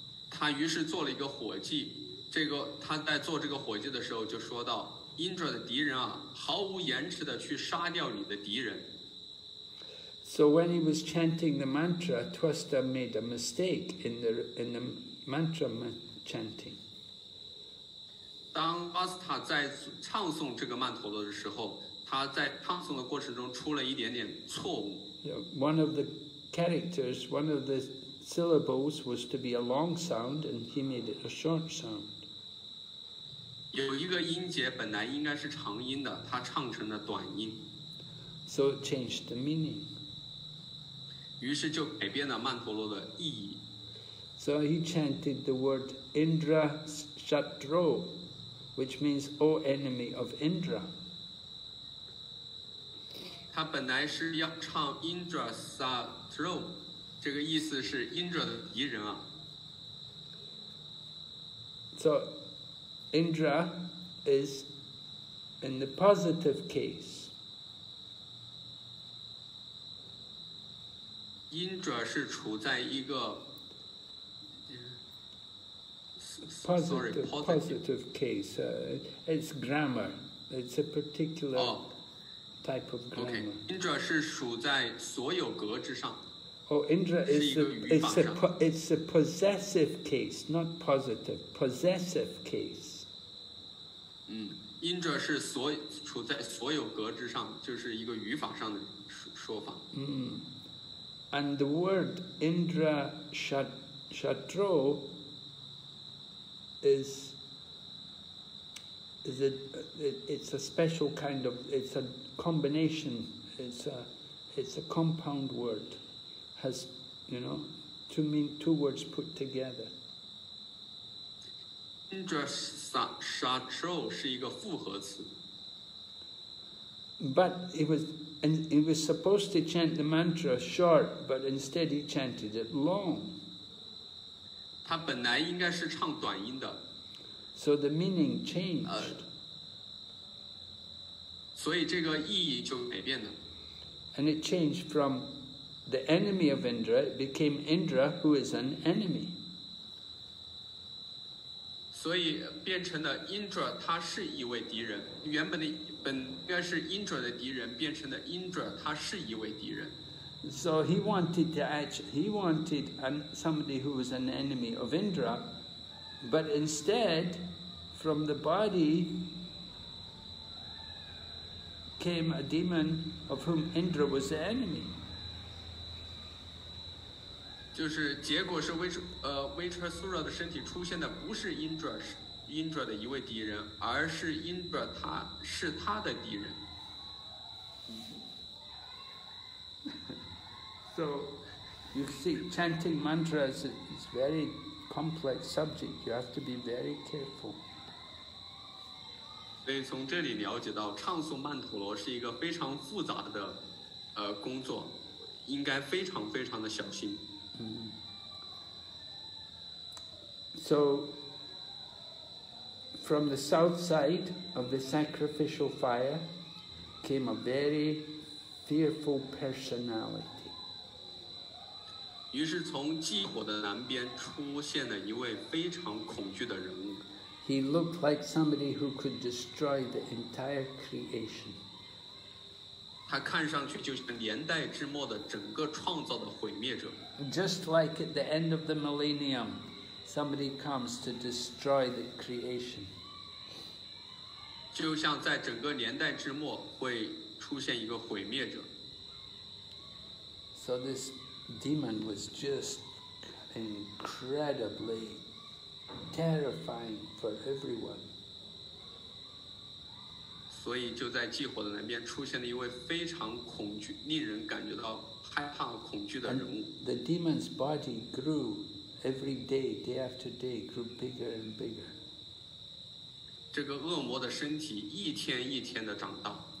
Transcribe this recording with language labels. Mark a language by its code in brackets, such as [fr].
[zh] 他于是做了一个火祭，这个他在做这个火祭的时候就说到，鹰准的敌人啊，毫无延迟的去杀掉你的敌人。 [en] So when he was chanting the mantra, Tvasta made a mistake in the mantra chanting. [zh] 当阿斯塔在唱诵这个曼陀罗的时候，他在唱诵的过程中出了一点点错误。 [en] One of the characters, one of the syllables was to be a long sound, and he made it a short sound. [zh] 有一个音节本来应该是长音的，他唱成了短音。 [en] So it changed the meaning. [zh] 于是就改变了曼陀罗的意义。 [en] So he chanted the word Indra Shatro, which means O enemy of Indra. [zh] 他本来是要唱 Indra Satro， 这个意思是 Indra 的敌人啊。 [en] So Indra is in the positive case. [zh] Indra 是处在一个 [en] positive case. It's grammar. It's a particular. Type of grammar. [zh] Okay, Indra 是属在所有格之上。 [en] Oh, Indra is a possessive case, not positive. Possessive case. [zh] 嗯 ，Indra 是所处在所有格之上，就是一个语法上的说法。 [en] 嗯 ，And the word Indra Shatro is a special kind of it's a combination, it's a compound word, has, you know, to mean two words put together. [zh] Indra Shatro 是一个复合词。 [en] But he was supposed to chant the mantra short, but instead he chanted it long. [zh] 他本来应该是唱短音的。 [en] So the meaning changed. [zh] 所以这个意义就改变了。 [en] And it changed from the enemy of Indra, it became Indra who is an enemy. [zh] 所以变成了 Indra, 他是一位敌人。原本的本应该是 Indra 的敌人变成了 Indra, 他是一位敌人。 [en] So he wanted somebody who was an enemy of Indra, but instead, from the body,came a demon of whom Indra was the enemy. [zh] 就是结果是威彻苏热的身体出现的不是 Indra, 是 Indra 的一位敌人，而是 Indra 他是他的敌人。 [en] So, you see, chanting mantras is a very complex subject. You have to be very careful. [zh] 所以从这里了解到，唱诵曼陀罗是一个非常复杂的，工作，应该非常非常的小心。 [en] So, from the south side of the sacrificial fire came a very fearful personality. [zh] 于是从祭火的南边出现了一位非常恐惧的人物。 [en] He looked like somebody who could destroy the entire creation. [zh] 他看上去就像年代之末的整个创造的毁灭者。 [en] Just like at the end of the millennium, somebody comes to destroy the creation. [zh] 就像在整个年代之末会出现一个毁灭者。 [en] So this demon was just incredibly... terrifying for everyone. [zh] 所以就在祭火的南边出现了一位非常恐惧，令人感觉到害怕恐惧的人物。 [en] The demon's body grew every day, day after day, grew bigger and bigger. [zh] 这个恶魔的身体一天一天的长大。